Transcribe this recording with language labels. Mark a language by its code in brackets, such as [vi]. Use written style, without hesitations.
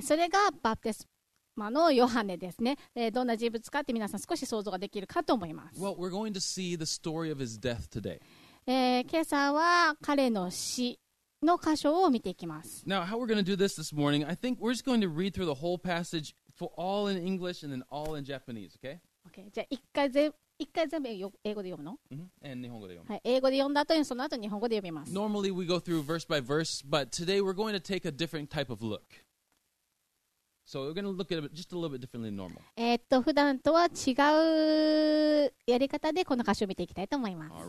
[ja] それがバプテスマのヨハネですね。どんな人物かって皆さん少し想像ができるかと思います。 [en] Well, we're going to see the story of his death today. [ja] 今朝は彼の死の箇所を見ていきます。 [en] Now, how we're going to do this morning, I think we're just going to read through the whole passage for all in English and then all in Japanese, okay? [ja] じゃあ一回全部英語で読むの、 mm-hmm. 日本語で読む、はい、英語で読んだ後にその後に日本語で読みます [en] Normally we go through verse by verse But today we're going to take a different type of look So we're going to look at it just a little bit differently than normal [ja] 普段とは違うやり方でこの箇所を見ていきたいと思います